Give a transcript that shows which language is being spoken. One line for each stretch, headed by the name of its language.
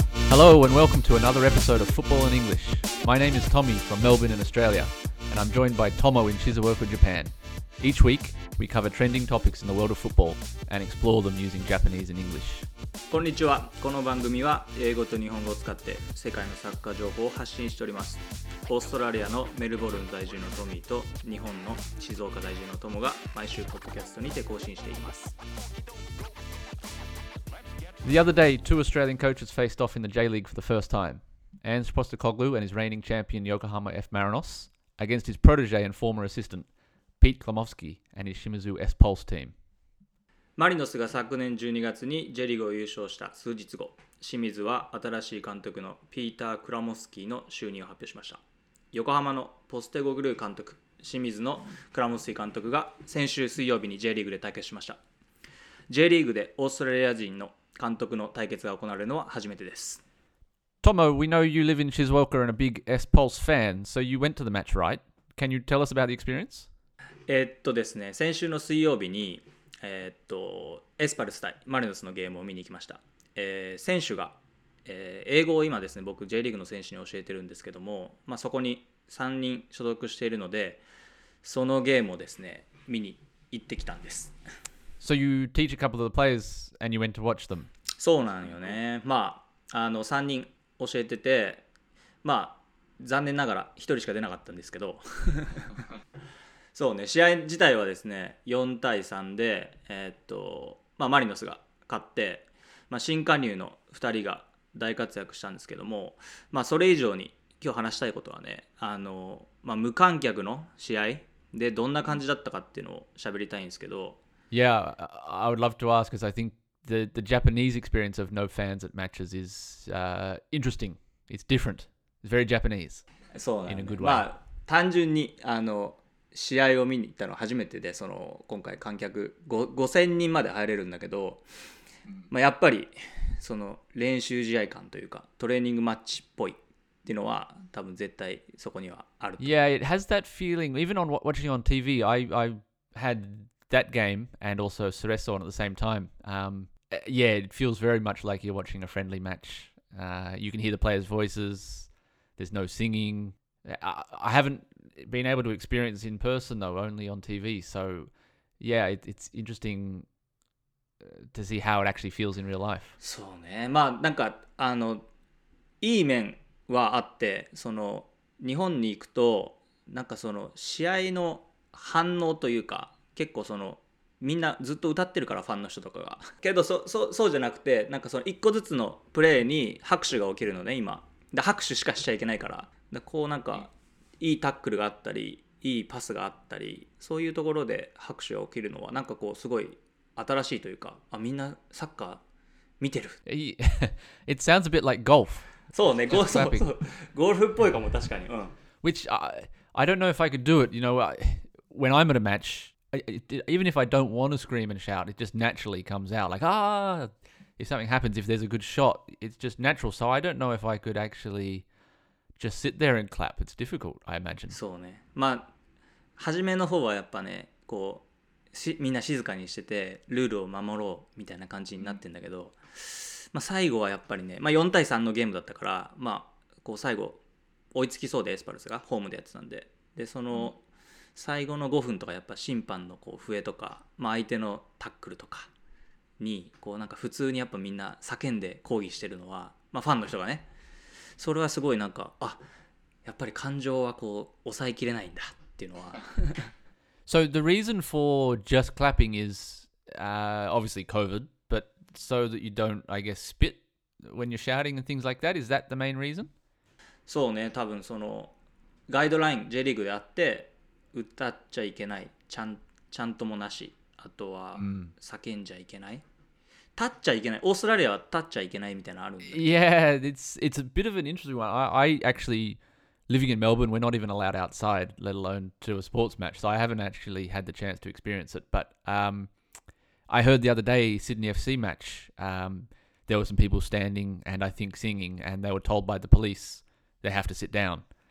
English: Hello and welcome to another episode of Football in English. My name is Tommy from Melbourne in Australia, and I'm joined by Tomo in Shizuoka, Japan. Each week, we cover trending topics in the world of football and explore them using Japanese and English.
Japanese: こんにちは。この番組は英語と日本語を使って世界のサッカー情報を発信しております。オーストラリアのメルボルン在住のトミーと日本の静岡在住のトモが毎週ポッドキャストにて更新しています。
English: The other day, two Australian coaches faced off in the J-League for the first time. Ange Postecoglou and his reigning champion Yokohama F. Marinos against his protege and former assistant, Pete Klimovsky and his Shimizu S. Pulse team.
Japanese: マリノスが昨年12月に J リーグを優勝した数日後、清水は新しい監督のピーター・クラモスキーの就任を発表しました。横浜のポステゴグルー監督、清水のクラモスキー監督が先週水曜日に J リーグで対決しました。 J リーグでオーストラリア人の監督の対決が行われるのは初めてです。
English: Tomo, we know you live in Shizuoka and a big S Pulse fan, so you went to the match, right? Can you tell us about the experience?
Japanese: ですね、先週の水曜日にエスパルス対マリノスのゲームを見に行きました。選手が、英語を今ですね、僕 J リーグの選手に教えてるんですけども、まあ、そこに3人所属しているので、そのゲームをですね見に行ってきたんです。
English: So you teach a couple of the players and you went to watch them?
Japanese: そうなんよね、まあ、3人教えてて、まあ、残念ながら1人しか出なかったんですけどそうね、試合自体はですね4対3で、まあ、マリノスが勝って、まあ、新加入の2人が大活躍したんですけども、まあ、それ以上に今日話したいことはね、まあ、無観客の試合でどんな感じだったかっていうのを喋りたいんですけど。
English: Yeah, I would love to ask because I think the Japanese experience of no fans at matches is interesting. It's different. It's very Japanese.
Japanese: そうなんだ、
English: in a good way.
Japanese: まあ、単純に試合を見に行ったのは初めてで、その今回観客5000人まで入れるんだけど、まあ、やっぱりその練習試合感というかトレーニングマッチっぽいっていうのは多分絶対そこにはあると思う。
English: Yeah, it has that feeling. Even on watching on TV, I had that game and also Cerezo on at the same time. Yeah, it feels very much like you're watching a friendly match. You can hear the players' voices. There's no singing. I haven'tbeen able to experience in person though, only on TV. So, yeah, it's interesting to see how it actually feels in real life.
Japanese: そうね。まあなんかいい面はあって、その日本に行くとなんかその試合の反応というか、結構そのみんなずっと歌ってるから、ファンの人とかが。けどそうじゃなくて、なんかその一個ずつのプレーに拍手が起きるのね、今。で拍手しかしちゃいけないから、でこうなんか。いいタックルがあったり、いいパスがあったり、そういうところで拍手が起きるのはなんかこうすごい新しいというか、あ、みんなサッカー見てる。
English: It sounds a bit like golf.
Japanese: そうね、そうゴルフっぽいかも、確かに。うん。
English: Which I don't know if I could do it. You know, when I'm at a match, even if I don't want to scream and shout, it just naturally comes out. Like, ah, if something happens, if there's a good shot, it's just natural. So I don't know if I could actually... Just sit there and clap. It's difficult, I imagine.
Japanese: そうね。まあ、初めの方はやっぱね、こう、みんな静かにしてて、ルールを守ろうみたいな感じになってんだけど、まあ、最後はやっぱりね、まあ、4対3のゲームだったから、まあ、こう最後、追いつきそうで、エスパルスがホームでやってたんで、で、その最後の5分とか、やっぱ審判のこう笛とか、まあ、相手のタックルとかに、こうなんか普通にやっぱみんな叫んで抗議してるのは、まあ、ファンの人がね、それはすごいなんか、あ、やっぱり感情はこう抑えきれないんだっていうのは。
English: So the reason for just clapping is obviously COVID, but so that you don't, I guess, spit when you're shouting and things like that, is that the main reason?
Japanese: そうね、多分そのガイドライン、J リーグであって歌っちゃいけない、ちゃんともなし、あとは叫んじゃいけない。 Mm. 立っちゃいけない。オーストラリアは立っちゃいけないみたいなのあるんだ。
English: Yeah, it's a bit of an interesting one. I actually, living in Melbourne, we're not even allowed outside, let alone to a sports match. So I haven't actually had the chance to experience it. But I heard the other day, Sydney FC match, there were some people standing and I think singing, and they were told by the police they have to sit down.